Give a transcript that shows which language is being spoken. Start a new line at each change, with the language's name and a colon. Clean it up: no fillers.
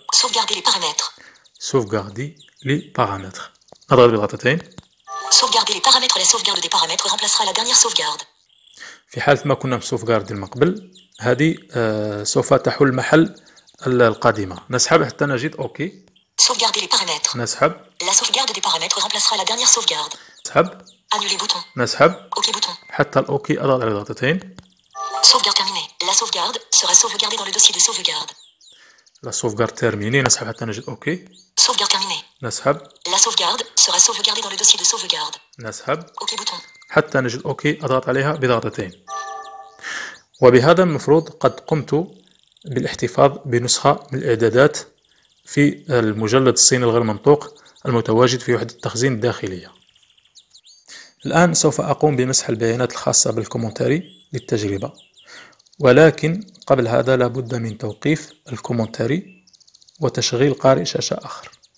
French: Sauvegarde les paramètres. Sauvegarde les paramètres.
Arabic: نضغط بضغطتين.
French: Sauvegarde les paramètres. La sauvegarde des paramètres remplacera la dernière sauvegarde.
Arabic: في حالة ما كنا بسوفغارد من قبل، هذه سوف تحل محل القادمة. نسحب حتى نجد اوكي.
French: Sauvegarde les paramètres.
Arabic: نسحب.
French: La sauvegarde des paramètres remplacera la dernière sauvegarde.
Arabic: نسحب.
French: Annuler bouton.
Arabic: نسحب.
French: OK bouton.
Arabic: حتى الأوكي أضع على ضغطتين.
French: Sauvegarde terminée. La sauvegarde sera sauvegardée dans le dossier de sauvegarde. La sauvegarde terminée.
Arabic: نسحب حتى نجد OK.
French: Sauvegarde terminée.
Arabic: نسحب.
French: La sauvegarde sera sauvegardée dans le dossier de sauvegarde.
Arabic: نسحب.
French: OK bouton.
Arabic: حتى نجد OK أضغط عليها بضغطتين. وبهذا المفروض قد قمت بالاحتفاظ بنسخة من الإعدادات في المجلد الصيني الغير منطوق المتواجد في وحدة التخزين الداخلية. الآن سوف أقوم بمسح البيانات الخاصة بالكومنتاري للتجربة، ولكن قبل هذا لابد من توقيف الكومنتاري وتشغيل قارئ شاشة آخر.